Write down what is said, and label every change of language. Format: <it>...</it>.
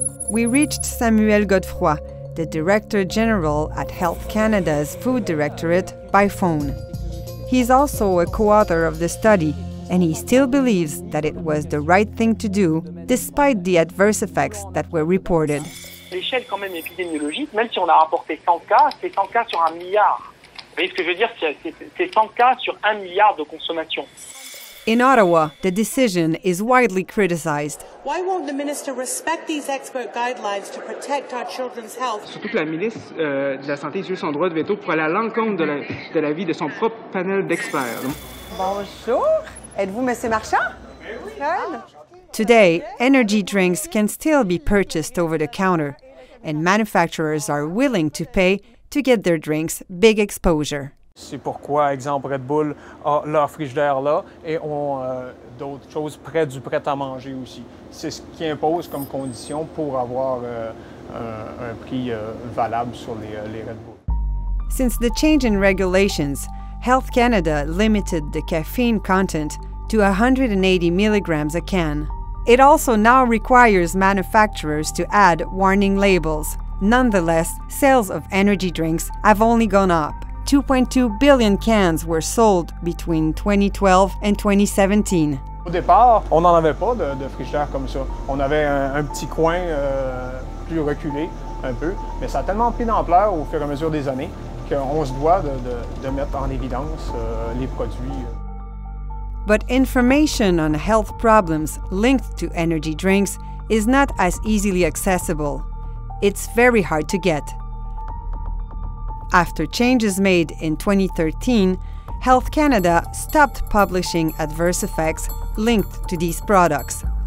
<en>We reached Samuel Godefroy, the Director General at Health Canada's Food Directorate, by phone. He's also a co-author of the study, and he still believes that it was the right thing to do, despite the adverse effects that were reported.</en> <fr>L'échelle quand même épidémiologique, même si on a rapporté 100 cas, c'est 100 cas sur un milliard. Vous voyez ce que je veux dire? C'est 100 cas sur un milliard de consommation.</fr> <en>In Ottawa, the decision is widely criticized. Why won't the minister respect these expert guidelines to protect our children's health?</en> <fr>Surtout que la ministre de la Santé utilise son droit de veto pour aller à l'encontre de la vie de son propre panel d'experts. Bonjour. Êtes-vous Monsieur Marchand? Oui.</fr> <en>Today, energy drinks can still be purchased over the counter, and manufacturers are willing to pay to get their drinks big exposure.</en> <fr>C'est pourquoi, exemple, Red Bull a leur frigidaire là et ont d'autres choses près du prêt-à-manger aussi. C'est ce qui impose comme condition pour avoir un prix valable sur les Red Bull.</fr> <en>Since the change in regulations, Health Canada limited the caffeine content to 180 milligrams a can. It also now requires manufacturers to add warning labels. Nonetheless, sales of energy drinks have only gone up. 2.2 billion cans were sold between 2012 and 2017.</en> <fr>Au départ, on n'en avait pas de frigidaire comme ça. On avait un petit coin plus reculé, un peu. Mais ça a tellement pris d'ampleur au fur et à mesure des années qu'on se doit de mettre en évidence les produits.</fr> <en>But information on health problems linked to energy drinks is not as easily accessible. It's very hard to get. After changes made in 2013, Health Canada stopped publishing adverse effects linked to these products.</en>